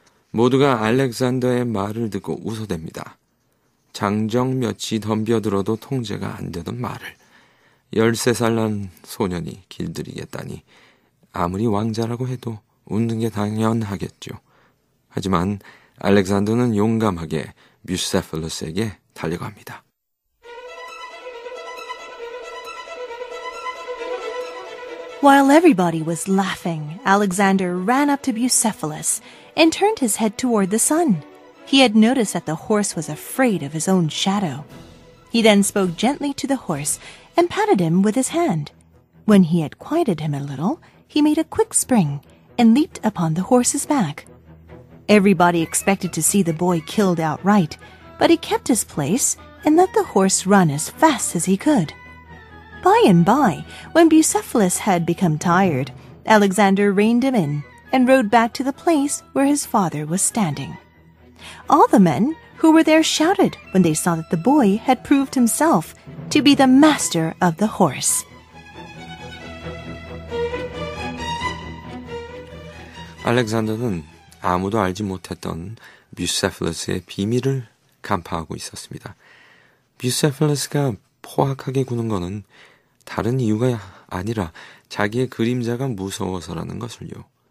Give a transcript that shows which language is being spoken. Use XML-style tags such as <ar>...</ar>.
<ko>모두가 알렉산더의 말을 듣고 웃어댑니다. 장정 몇이 덤벼들어도 통제가 안 되던 말을 13살 난 소년이 길들이겠다니 아무리 왕자라고 해도 웃는 게 당연하겠죠. 하지만 알렉산더는 용감하게 뷰세폴로스에게 달려갑니다.</ko> <en>While everybody was laughing, Alexander ran up to Bucephalus and turned his head toward the sun. He had noticed that the horse was afraid of his own shadow. He then spoke gently to the horse and patted him with his hand. When he had quieted him a little, he made a quick spring and leaped upon the horse's back. Everybody expected to see the boy killed outright, but he kept his place and let the horse run as fast as he could. By and by, when Bucephalus had become tired, Alexander reined him in and rode back to the place where his father was standing. All the men who were there shouted when they saw that the boy had proved himself to be the master of the horse.</en> <ko>Alexander는 아무도 알지 못했던 Bucephalus의 비밀을 간파하고 있었습니다. Bucephalus가 포악하게 구는 것은 다른 이유가 아니라 자기의 그림자가 무서워서라는 것을요.</ko>